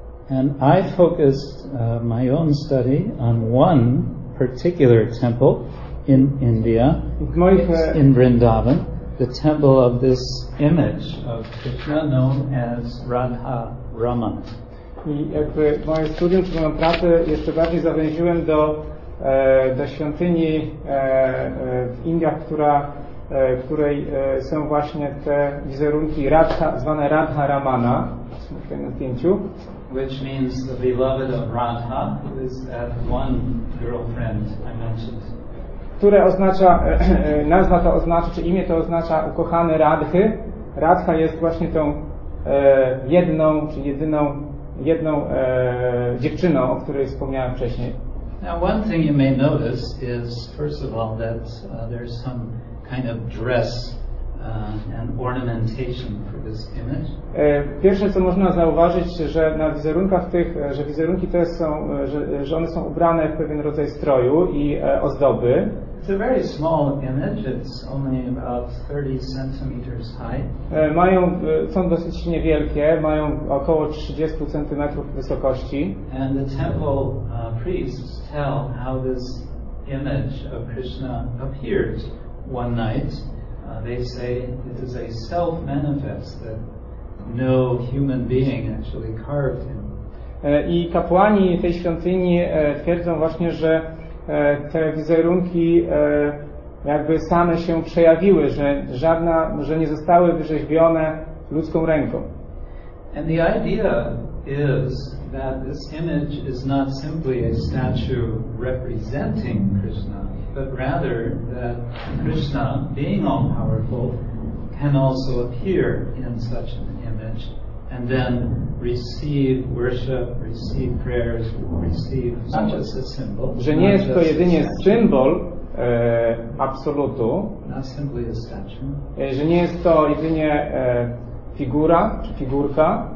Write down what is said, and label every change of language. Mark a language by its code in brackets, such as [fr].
[en] And I focused my own study on one particular temple in India. It's in Vrindavan, the temple of this image of Krishna known as Radha Ramana. [pl] I jakby moje studium czy moją pracę jeszcze bardziej zawęziłem do świątyni w Indiach, która w której są właśnie te wizerunki Radha, zwane Radha Ramana, tutaj na zdjęciu, [en] which means the beloved of Radha, who is that one girlfriend I mentioned. [pl] Które oznacza, nazwa to oznacza, czy imię to oznacza ukochany Radhy. Radha jest właśnie tą jedną, czy jedyną, jedną dziewczyną, o której wspomniałem wcześniej. [en] Now one thing you may notice is, first of all, that there's some kind of dress and ornamentation for this image. [pl] Pierwsze, co można zauważyć, że na wizerunkach tych, że wizerunki te są, że one są ubrane w pewien rodzaj stroju i ozdoby. [en] It's a very small image. It's only about 30 centimeters high. [pl] Mają, są dosyć niewielkie. Mają około 30 centymetrów wysokości. [en] And the temple priests tell how this image of Krishna appeared one night. They say it is a self-manifest that no human being actually carved him. [pl] I kapłani tej świątyni twierdzą właśnie, że te wizerunki jakby same się przejawiły, że żadna, że nie zostały wyrzeźbione ludzką ręką. [en] And the idea is that this image is not simply a statue representing Krishna, but rather that Krishna, being all powerful, can also appear in such an image and then receive worship, receive prayers, receive not just a symbol. [pl] Że nie jest to jedynie symbol absolutu. [en] Not simply a statue. [pl] Że nie jest to jedynie figura czy figurka.